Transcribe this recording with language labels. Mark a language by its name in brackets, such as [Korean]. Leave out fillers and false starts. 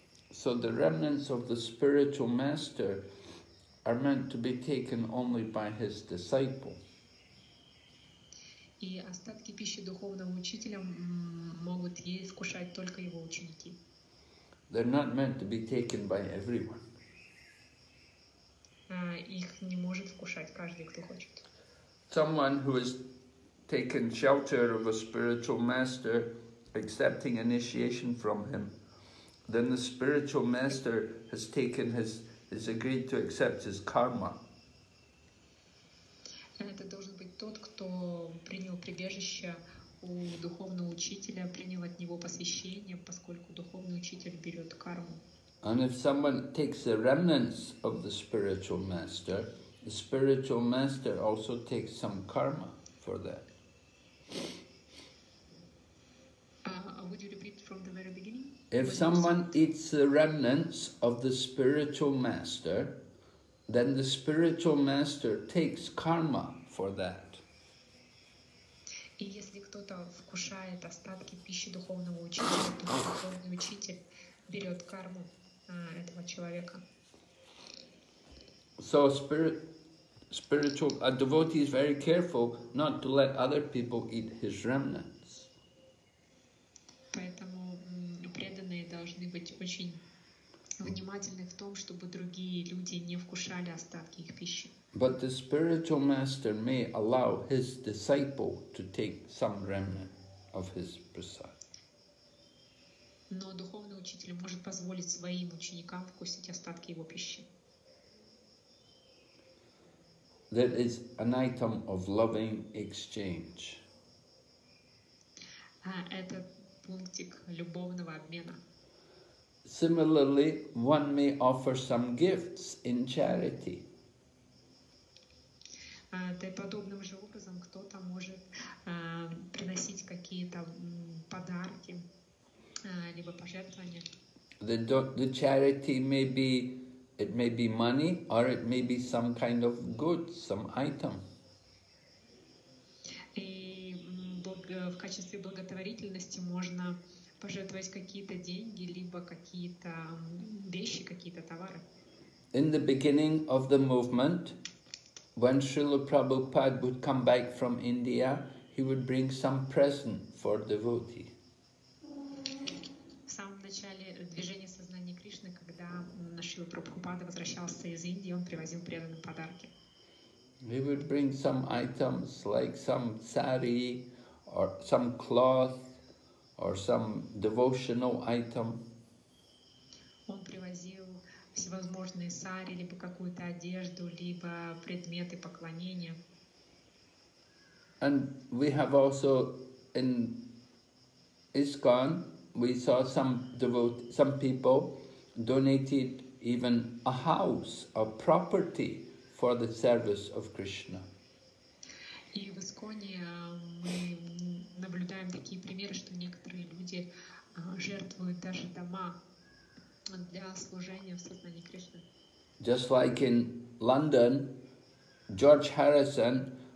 [English] So the remnants of the spiritual master are meant to be taken only by his disciple. [Russian] И остатки пищи духовного учителя могут есть, кушать только его ученики. [English] They're not meant to be taken by everyone. [Russian] Их не может вкушать каждый, кто хочет. [English] Someone who has taken shelter of a spiritual master, accepting initiation from him, then the spiritual master has taken his, has agreed to accept his karma. [Russian] Это должен быть тот, кто принял прибежище у духовного учителя, принял от него посвящение, поскольку духовный учитель берет карму. [English] And if someone takes the remnants of the spiritual master also takes some karma for that. Would you repeat from the very beginning? If someone eats the remnants of the spiritual master, then the spiritual master takes karma for that. [Russian] И если кто-то вкушает остатки пищи духовного учителя, то духовный учитель берет карму этого человека. [English] So a devotee is very careful not to let other people eat his remnants. [Russian] Поэтому преданные должны быть очень внимательны в том, чтобы другие люди не вкушали остатки их пищи. [English] But the spiritual master may allow his disciple to take some remnant of his prasad. [Russian] Но духовный учитель может позволить своим ученикам вкусить остатки его пищи. [English] That is an item of loving exchange. [Russian] Это пунктик любовного обмена. [English] Similarly, one may offer some gifts in charity. [Russian] Подобным же образом кто-то может приносить какие-то подарки, либо пожертвования. [English] The charity may be, it may be money, or it may be some kind of goods, some item. [Russian] И в качестве благотворительности можно пожертвовать какие-то деньги, либо какие-то вещи, какие-то товары. [English] In the beginning of the movement, when Srila Prabhupada would come back from India, he would bring some present for devotee. [Russian] В самом начале движения сознания Кришны, когда Шрила Прабхупада возвращался из Индии, он привозил преданным подарки. [English] He would bring some items, like some sari, or some cloth, or some devotional item. [Russian] Он привозил всевозможные сари, либо какую-то одежду, либо предметы поклонения. [English] And we have also in ISKCON, we saw some people donated even a house, a property for the service of Krishna. [Russian] И в ИСККОНе мы наблюдаем такие примеры, что некоторые люди жертвуют даже дома для служения в сознании Кришны. [English] Just like in London, George Harrison